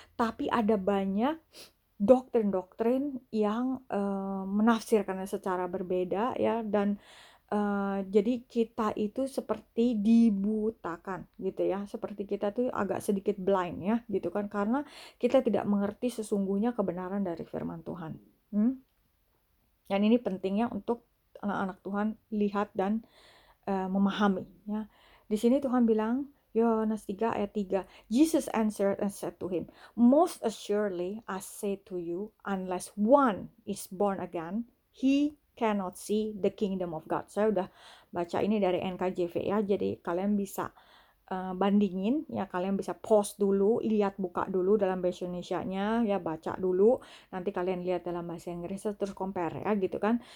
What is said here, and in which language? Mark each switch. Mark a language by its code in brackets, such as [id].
[id] Tapi ada banyak doktrin-doktrin yang menafsirkannya secara berbeda ya, dan jadi kita itu seperti dibutakan gitu ya, seperti kita tuh agak sedikit blind ya gitu kan, karena kita tidak mengerti sesungguhnya kebenaran dari firman Tuhan. Dan ini pentingnya untuk anak-anak Tuhan lihat dan memahami ya. Di sini Tuhan bilang, Yohanes 3 ayat 3, [en] Jesus answered and said to him, most assuredly I say to you, unless one is born again, he cannot see the kingdom of God. [id] Saya udah baca ini dari NKJV ya, jadi kalian bisa bandingin ya, kalian bisa pause dulu, lihat, buka dulu dalam bahasa Indonesia-nya ya, baca dulu, nanti kalian lihat dalam bahasa Inggris terus compare ya gitu kan.